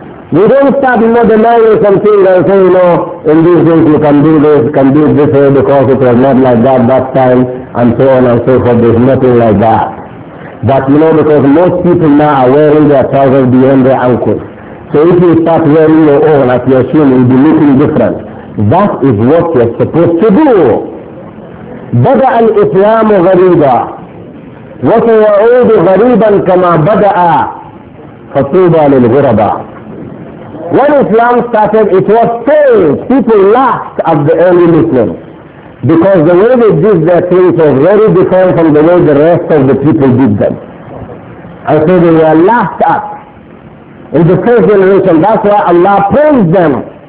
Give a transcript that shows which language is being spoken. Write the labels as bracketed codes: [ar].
[en] We don't start modernizing something and say, you know, in these days you can do this, can do this way because it was not like that time, and so on and so forth. There's nothing like that. But you know, because most people now are wearing their trousers beyond their ankles. So if you start wearing your own, as you assume, you'll be looking different. That is what you're supposed to do. [ar] بدأ الإسلام غريبا وسيعود غريبا كما بدأ فطوبى للغرباء. [en] When Islam started, it was strange. People laughed at the early Muslims. Because the way they did their things was very different from the way the rest of the people did them. And so they were laughed at. In the first generation, that's why Allah praised them.